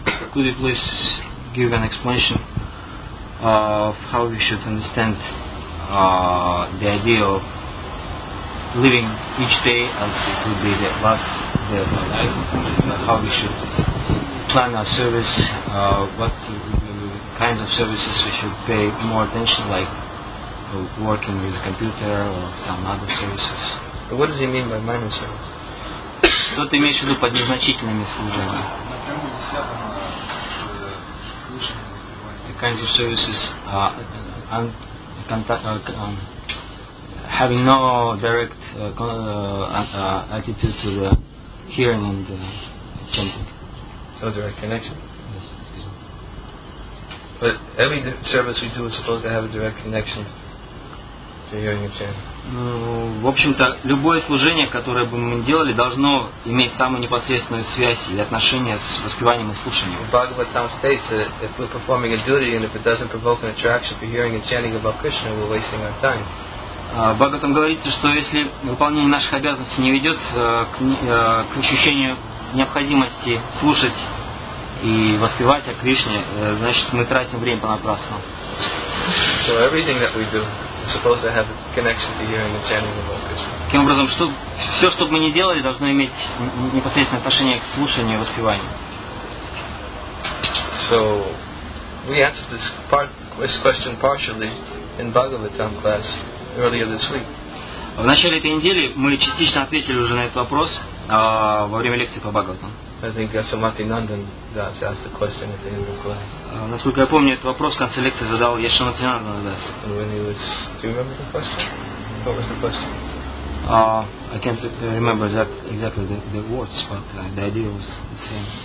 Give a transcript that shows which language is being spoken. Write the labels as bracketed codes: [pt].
[en] Could you please give an explanation of how we should understand the idea of living each day as it would be the last day of our life? How we should plan our service, what kinds of services we should pay more attention, like working with a computer or some other services? But what does he mean by minor service? [ru] Что ты имеешь в виду под незначительными служениями? [en] The kinds of services and contact, having no direct attitude to the hearing and chanting. No direct connection? But every service we do is supposed to have a direct connection to hearing and chanting. [ru] Ну, в общем-то, любое служение, которое бы мы делали, должно иметь самую непосредственную связь и отношение с воспеванием и слушанием. [en] Bhagavatam states that if we're performing a duty and if it doesn't provoke an attraction for hearing and chanting about Krishna, we're wasting our time. [ru] Bhagavatam говорит, что если выполнение наших обязанностей не ведет к ощущению необходимости слушать и воспевать о Кришне, значит, мы тратим время понапрасну. [en] So everything that we do supposed to have a connection to hearing and chanting about Krishna. [ru] Таким образом, что все, что бы мы ни делали, должно иметь непосредственное отношение к слушанию и воспеванию. [en] So we answered this question partially in Bhagavatam class earlier this week. [ru] В начале этой недели мы частично ответили уже на этот вопрос во время лекции по Бхагаватам. [en] I think Yashomati Nandan Das asked the question at the end of class. [ru] Насколько я помню, этот вопрос в конце лекции задал Yashomati Nandan Das. [en] And when he was, do you remember the question? What was the question? I can't remember that exactly the words, but the idea was the same.